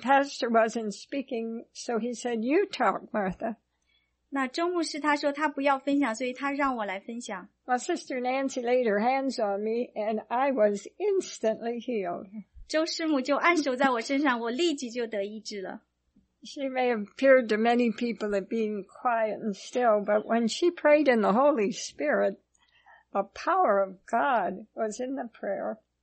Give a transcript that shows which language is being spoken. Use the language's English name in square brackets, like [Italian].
[English] Pastor wasn't speaking, so he said, "You talk, Martha." [Chinese] 那周牧师他说他不要分享，所以他让我来分享。Well, [English] Sister Nancy laid her hands on me, and I was instantly healed. [Chinese] 周师母就按手在我身上，我立即就得医治了。 [English] She may have appeared to many people as being quiet and still, but when she prayed in the Holy Spirit, the power of God was in the prayer.